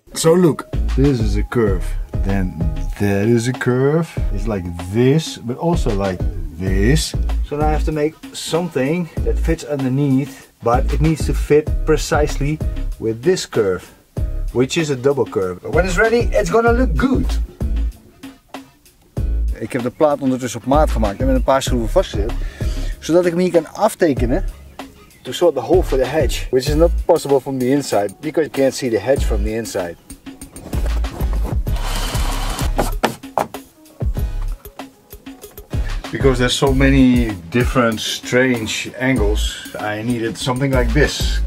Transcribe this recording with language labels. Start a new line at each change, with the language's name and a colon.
English: So look, this is a curve. Then that is a curve. It's like this, but also like this. So now I have to make something that fits underneath, but it needs to fit precisely with this curve, which is a double curve. But when it's ready, it's gonna look good.
Dutch: Ik heb de plaat ondertussen op maat gemaakt en met een paar schroeven vastgezet, zodat ik hem hier kan aftekenen.
English: To sort the hole for the hedge, which is not possible from the inside, because you can't see the hedge from the inside. Because there's so many different strange angles, I needed something like this.